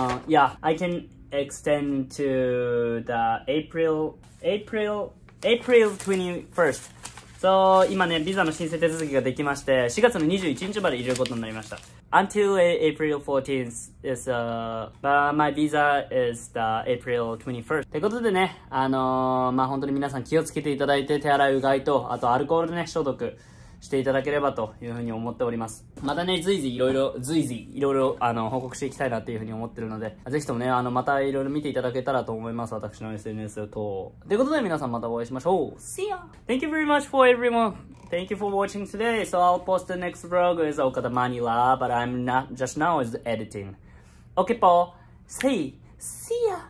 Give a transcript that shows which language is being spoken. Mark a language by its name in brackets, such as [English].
[English] Yeah, I can extend to the April 21st. [Japanese] 今ね、ビザの申請手続きができまして、4月の21日までいることになりました。 [English] Until April 14th is, my visa is the April 21st. [Japanese] ってことでね、まあ、本当に皆さん気をつけていただいて、手洗い、うがいと、あとアルコールでね、消毒していただければというふうに思っております。またね、随時いろいろ、報告していきたいなというふうに思ってるので、ぜひともね、またいろいろ見ていただけたらと思います。私の SNS と。ということで皆さんまたお会いしましょう。 [English] See ya! Thank you very much for everyone. Thank you for watching today. So I'll post the next vlog is Okada Manila, but I'm not just now is editing. Okay, Paul. See ya!